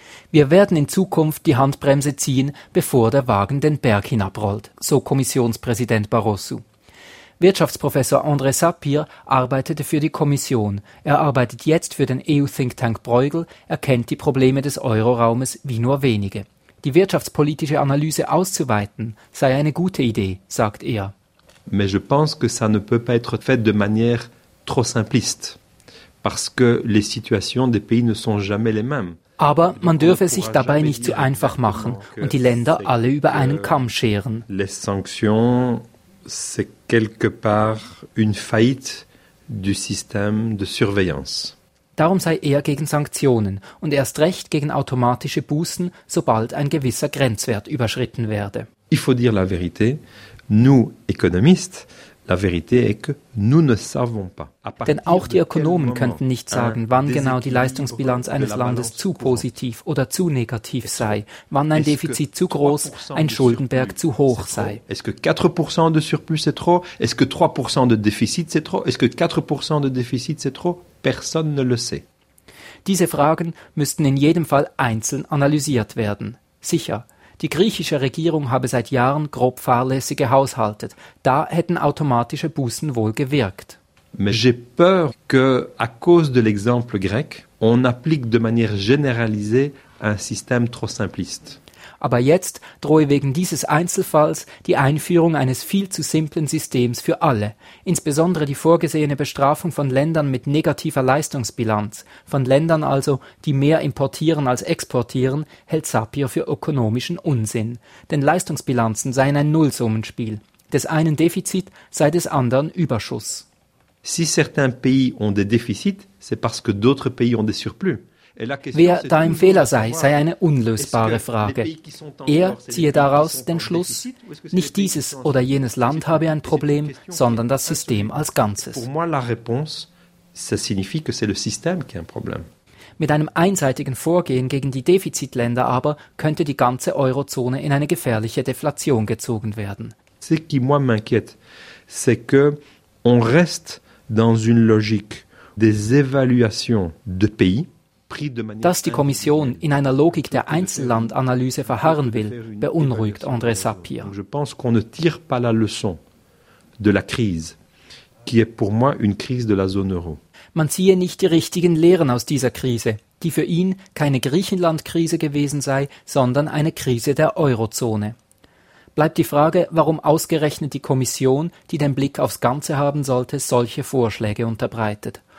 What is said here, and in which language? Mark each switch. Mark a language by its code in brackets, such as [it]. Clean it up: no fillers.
[de] Wir werden in Zukunft die Handbremse ziehen, bevor der Wagen den Berg hinabrollt, so Kommissionspräsident Barroso. Wirtschaftsprofessor André Sapir arbeitete für die Kommission. Er arbeitet jetzt für den EU-Thinktank Bruegel, er kennt die Probleme des Euroraumes wie nur wenige. Die wirtschaftspolitische Analyse auszuweiten sei eine gute Idee, sagt er. [fr] Mais je pense que ça ne peut pas être fait de manière trop simpliste, parce que les situations des pays ne sont jamais les mêmes. [de] Aber man dürfe es sich dabei nicht zu einfach machen und die Länder alle über einen Kamm scheren. [fr] Les sanctions, c'est quelque part une faillite du système de surveillance. [de] Darum sei er gegen Sanktionen und erst recht gegen automatische Bußen, sobald ein gewisser Grenzwert überschritten werde. [fr] Il faut dire la vérité, nous économistes, La vérité est que nous ne savons pas. [de] Denn auch die Ökonomen könnten nicht sagen, wann genau die Leistungsbilanz eines Landes zu positiv oder zu negativ sei, wann ein Defizit zu groß, ein Schuldenberg zu hoch sei. [fr] Est-ce que 4% de surplus c'est trop? Est-ce que 3% de déficit c'est trop? Est-ce que 4% de déficit c'est trop? Personne ne le sait. [de] Diese Fragen müssten in jedem Fall einzeln analysiert werden. Sicher. Die griechische Regierung habe seit Jahren grob fahrlässig gehaushaltet. Da hätten automatische Bußen wohl gewirkt. [fr] Mais j'ai peur que à cause de l'exemple grec, on applique de manière généralisée un système trop simpliste. [de] Aber jetzt drohe wegen dieses Einzelfalls die Einführung eines viel zu simplen Systems für alle, insbesondere die vorgesehene Bestrafung von Ländern mit negativer Leistungsbilanz, von Ländern also, die mehr importieren als exportieren, hält Sapir für ökonomischen Unsinn. Denn Leistungsbilanzen seien ein Nullsummenspiel. Des einen Defizit sei des anderen Überschuss. [fr] Si certains pays ont des déficits, c'est parce que d'autres pays ont des surplus. [de] Wer da im Fehler sei, sei eine unlösbare Frage. Er ziehe daraus den Schluss, nicht dieses oder jenes Land habe ein Problem, sondern das System als Ganzes. Mit einem einseitigen Vorgehen gegen die Defizitländer aber könnte die ganze Eurozone in eine gefährliche Deflation gezogen werden. [fr] Ce qui moi m'inquiète, c'est que on reste dans une logique des évaluations de pays. [de] Dass die Kommission in einer Logik der Einzellandanalyse verharren will, beunruhigt André Sapir. [fr] Je pense qu'on ne tire pas la leçon de la crise, qui est pour moi une crise de la zone euro. [de] Man ziehe nicht die richtigen Lehren aus dieser Krise, die für ihn keine Griechenland-Krise gewesen sei, sondern eine Krise der Eurozone. Bleibt die Frage, warum ausgerechnet die Kommission, die den Blick aufs Ganze haben sollte, solche Vorschläge unterbreitet.